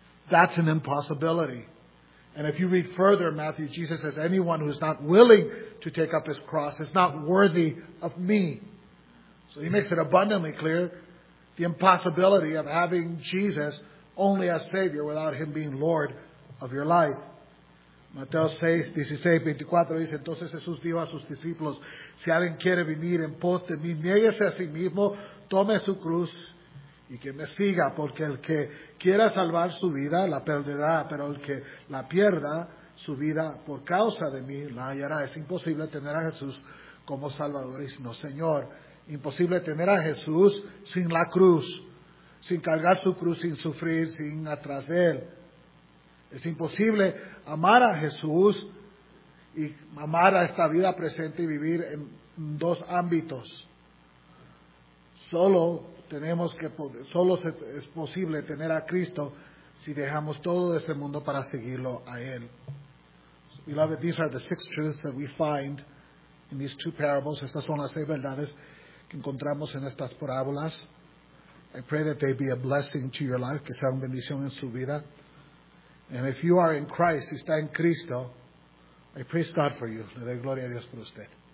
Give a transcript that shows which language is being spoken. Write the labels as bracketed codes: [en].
[en] That's an impossibility. And if you read further in Matthew, Jesus says, anyone who is not willing to take up his cross is not worthy of me. So he makes it abundantly clear the impossibility of having Jesus only as Savior without him being Lord of your life. [es] Mateo 16:24 dice, entonces Jesús dijo a sus discípulos, si alguien quiere venir en pos de mí, niéguese a sí mismo, tome su cruz, y que me siga, porque el que quiera salvar su vida la perderá, pero el que la pierda su vida por causa de mí la hallará. Es imposible tener a Jesús como Salvador y no Señor. Imposible tener a Jesús sin la cruz, sin cargar su cruz, sin sufrir, sin atrás de él. Es imposible amar a Jesús y amar a esta vida presente y vivir en dos ámbitos. Solo tenemos que solo es posible tener a Cristo si dejamos todo de este mundo para seguirlo a Él. [en] Beloved, these are the six truths that we find in these two parables. [es] Estas son las seis verdades que encontramos en estas parábolas. [en] I pray that they be a blessing to your life, [es] que sea una bendición en su vida. [en] And if you are in Christ, [es] si está en Cristo, [en] I praise God for you. [es] Le doy gloria a Dios por usted.